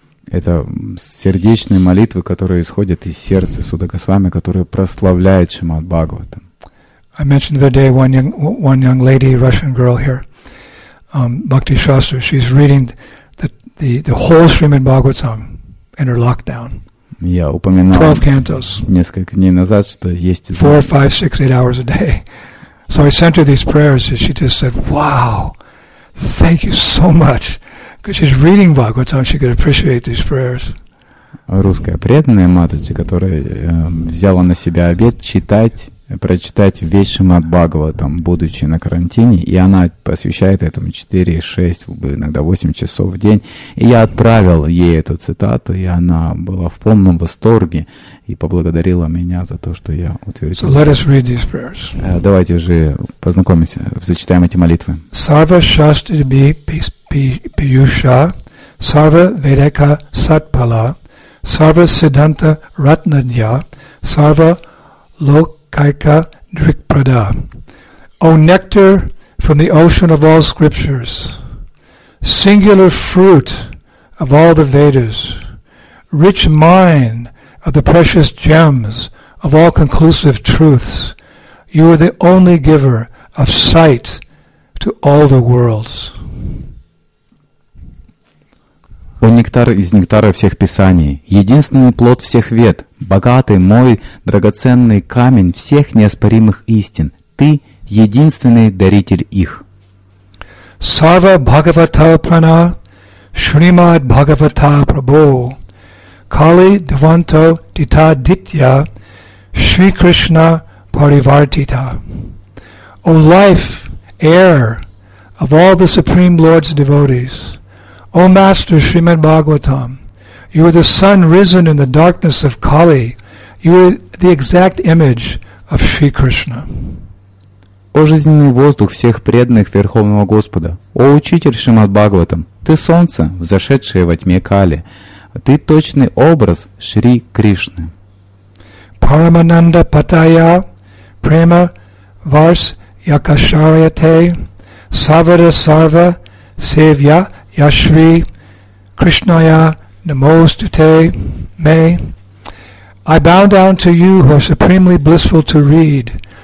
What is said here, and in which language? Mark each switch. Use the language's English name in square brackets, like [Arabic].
[Russian] Это сердечные молитвы, которые исходят из сердца Сутта Госвами, которые прославляют Шримад Бхагаватам. [English] I mentioned the other day one young lady, Russian girl here, Bhakti Shastra, she's reading the whole Srimad Bhagavatam in her lockdown. [Russian] Я упоминал [English] 12 cantos. [Russian] Несколько дней назад, что есть [English] 4, 5, 6, 8 hours a day. So I sent her these prayers and she just said, wow! Thank you so much. Because she's reading Bhagavatam, she could appreciate these prayers. [Russian] Русская преданная матаджи, которая взяла на себя обет прочитать весь Шримад Бхагаватам, будучи на карантине, и она посвящает этому 4, 6, иногда 8 часов в день. И я отправил ей эту цитату, и она была в полном восторге и поблагодарила меня за то, что я утвердил. [English] So let us read these prayers. [Russian] Давайте же познакомимся, зачитаем эти молитвы. [Sanskrit] Sarva Shastri Piyusha, Sarva Vedeka Satpala, Sarva Siddhanta Ratnadya, Sarva Lok Kaika Drikprada. [English] O nectar from the ocean of all scriptures, singular fruit of all the Vedas, rich mine of the precious gems of all conclusive truths, you are the only giver of sight, to all the worlds. [Russian] О нектар из нектара всех писаний, единственный плод всех вед, богатый мой драгоценный камень всех неоспоримых истин, ты единственный даритель их. [Sanskrit] Сарва Бхагавата Прана, Шримад Бхагавата Прабху, Кали Дванто Дита Дитья, Шри Кришна Паривартита. [English] O life, heir of all the Supreme Lord's devotees, O Master Srimad Bhagavatam, you are the sun risen in the darkness of Kali, you are the exact image of Shri Krishna. [Russian] О жизненный воздух всех преданных Верховного Господа, О Учитель Шримад Бхагаватам, ты солнце, взошедшее во тьме Кали, ты точный образ Шри Кришны. [Sanskrit] Парамананда Патая, Према Варс Якашарьяте, Савара Сарва Севья Яшри Кришная Намостуте Ме. [English] I bow down to you who are supremely blissful to read.